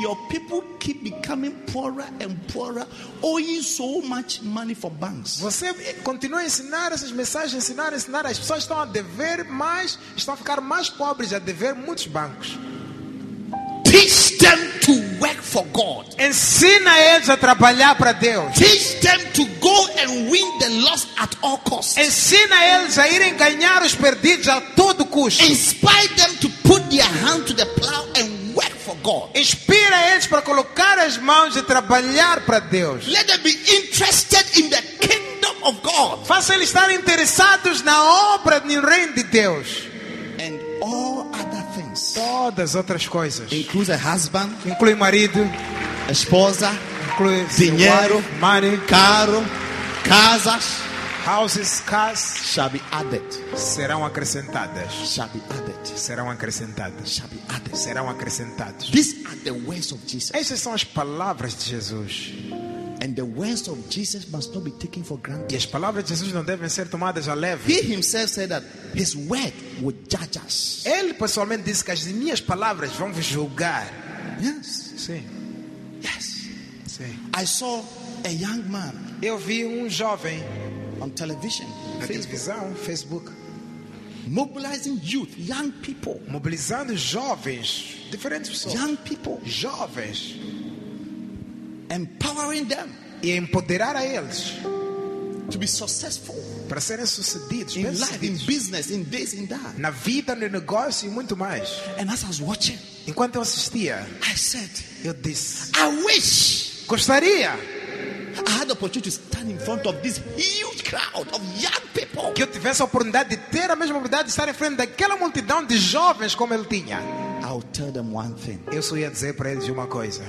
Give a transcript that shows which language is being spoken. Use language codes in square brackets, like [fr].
[en] Your people keep becoming poorer and poorer, owing so much money for banks. [pt] Você continua a ensinar essas mensagens, ensinar. As pessoas estão a dever mais, estão a ficar mais pobres, a dever muitos bancos. [en] Teach them to work for God. [pt] Ensina eles a trabalhar para Deus. [en] Teach them to go and win the lost at all costs. [pt] Ensina eles a irem ganhar os perdidos a todo custo. [en] Inspire them to put their hand to the plow and work for God. [pt] Inspira eles para colocar as mãos e trabalhar para Deus. [en] Let them be interested in the kingdom of God. [pt] Faça eles estar interessados na obra no reino de Deus. [en] And all other things. [pt] Todas outras coisas. Inclui [en] husband, [pt] inclui marido, esposa, inclui dinheiro, [en] wife, money, [pt] carro, casas, [en] houses, cars, shall be added. [pt] Serão acrescentadas. [en] Shall be added. [pt] Serão acrescentadas. [en] Shall be added. [pt] Serão acrescentadas. [en] These are the words of Jesus. [pt] Essas são as palavras de Jesus. [en] And the words of Jesus must not be taken for granted. [pt] E as palavras de Jesus não devem ser tomadas à leve. [en] He himself said that his word would judge us. [pt] Ele pessoalmente disse que as minhas palavras vão vos julgar. [en] Yes. [pt] Sim. [en] Yes. [pt] Sim. [en] I saw a young man. [pt] Eu vi jovem [en] on television, [pt] na televisão, Facebook, [en] mobilizing youth, young people. [pt] Mobilizando jovens, diferentes pessoas. [en] Young people. [pt] Jovens. [en] Empowering them, [pt] e empoderar a eles [en] to be successful, [pt] para serem sucedidos [en] in life, in business, in this, in that, [pt] na vida, no negócio e muito mais. [en] And as I was watching, [pt] enquanto eu assistia, [en] I said, [pt] eu disse, [en] I wish, [pt] gostaria, [en] I had the opportunity to stand in front of this huge crowd of young people, [pt] que eu tivesse a oportunidade de ter a mesma oportunidade de estar em frente daquela multidão de jovens como ele tinha. [en] I'll tell them one thing. [pt] Eu só ia dizer para eles uma coisa.